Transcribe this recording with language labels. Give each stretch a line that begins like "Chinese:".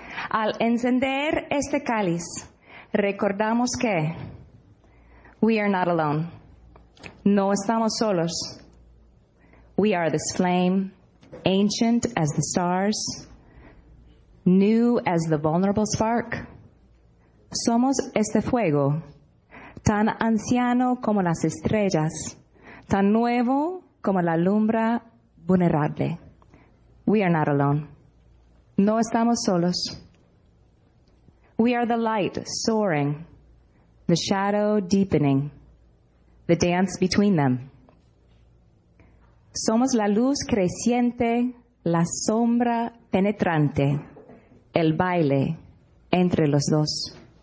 Spanish: Al encender este cáliz, recordamos que
English: we are not alone.
Spanish: No estamos solos.
English: We are this flame, ancient as the stars, new as the vulnerable spark.
Spanish: Somos este fuego, tan anciano como las estrellas, tan nuevo como la lumbre vulnerable.
English: We are not alone.
Spanish: No estamos solos.
English: We are the light soaring, the shadow deepening, the dance between them.
Spanish: Somos la luz creciente, la sombra penetrante, el baile entre los dos.